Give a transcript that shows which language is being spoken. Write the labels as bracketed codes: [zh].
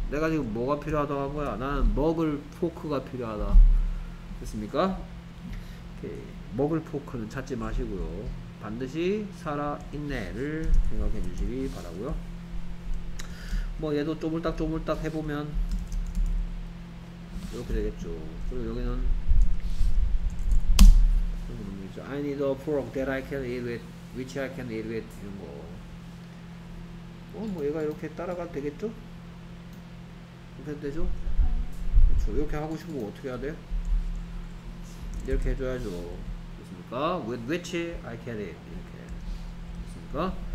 [ko] 내가 지금 뭐가 필요하다고 한 거야? 나는 먹을 포크가 필요하다. 됐습니까? 먹을 포크는 찾지 마시고요. 반드시 살아있네를 생각해 주시기 바라고요. 뭐 얘도 쪼물딱 해보면 이렇게 되겠죠. 그리고 여기는 [en] I need a pork that I can eat with, which I can eat with [ko] 이런 거. 뭐 얘가 이렇게 따라가도 되겠죠? 이렇게 해도 되죠? 그렇죠. 이렇게 하고 싶으면 어떻게 해야 돼요? 이렇게 해줘야죠. 됐습니까? [en] With which I can eat [ko] 이렇게. 됐습니까?